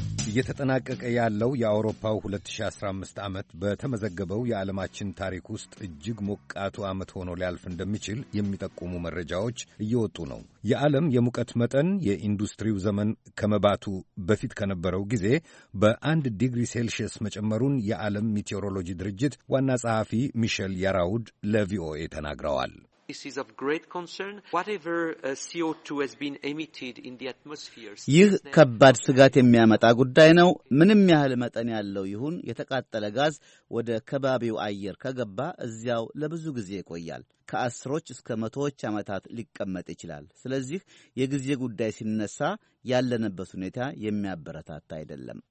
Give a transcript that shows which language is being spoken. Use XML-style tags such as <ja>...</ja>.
<am>እየተጠናቀቀ ያለው የአውሮፓው 2015 ዓመት በተመዘገበው የዓለማችን ታሪክ ውስጥ እጅግ ሞቃቱ ዓመት ሆኖ ሊያልፍ እንደሚችል የሚጠቁሙ መረጃዎች እየወጡ ነው። የዓለም የሙቀት መጠን የኢንዱስትሪው ዘመን ከመባቱ በፊት ከነበረው ጊዜ በአንድ ዲግሪ ሴልሺየስ መጨመሩን የዓለም ሚቴዎሮሎጂ ድርጅት ዋና ጸሐፊ ሚሸል ያራውድ ለቪኦኤ ተናግረዋል።</am> <en>This is of great concern. Whatever CO2 has been emitted in the atmosphere.</en> <am>ይህ ከባድ ስጋት የሚያመጣ ጉዳይ ነው። ምንም ያህል መጠን ያለው ይሁን የተቃጠለ ጋዝ ወደ ከባቢው አየር ከገባ እዚያው ለብዙ ጊዜ ይቆያል። ከአስሮች እስከ መቶዎች ዓመታት ሊቀመጥ ይችላል። ስለዚህ የጊዜ ጉዳይ ሲነሳ ያለንበት ሁኔታ የሚያበረታታ አይደለም።</am>